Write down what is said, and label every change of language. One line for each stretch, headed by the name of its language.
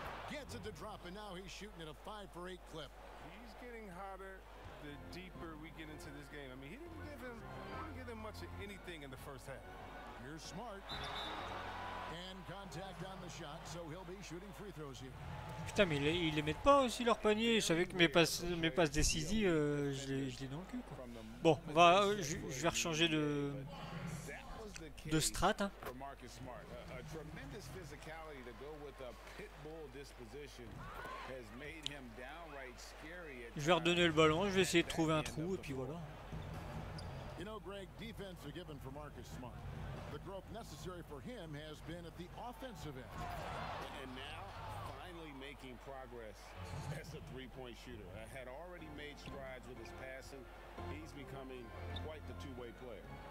English: Gets it to drop, and now he's shooting at a 5-for-8 clip. He's getting hotter the deeper we get into this game. I mean, he didn't give him much of anything in the first half. Here's Smart. And contact on the shot, so he'll be shooting free throws here.
French: Putain, mais ils les mettent pas aussi leur panier. Je savais que mes passes décisives, je les dans le cul, quoi. Bon, je vais rechanger de strat.
English: Marcus Smart. A tremendous physicality to go with a pit bull disposition has made him downright scary.
French: Je vais redonner le ballon, je vais essayer de trouver un trou et puis voilà.
English: You know, Greg, defense are given for Marcus Smart. The growth necessary for him has been at the offensive end. And now, finally making progress as a three-point shooter. I had already made strides with his passing. He's becoming quite the two-way player.